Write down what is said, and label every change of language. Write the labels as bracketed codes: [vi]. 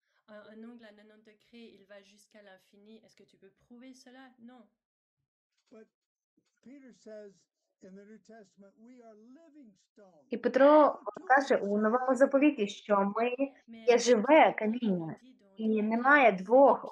[fr] Un angle à 90 degrés, il va jusqu'à l'infini. Est-ce que tu peux prouver cela? Non. [en] But Peter says in the New Testament, we are living stone. [uk] І Петро каже у Новому заповіті, що ми є живе каміння, і немає двох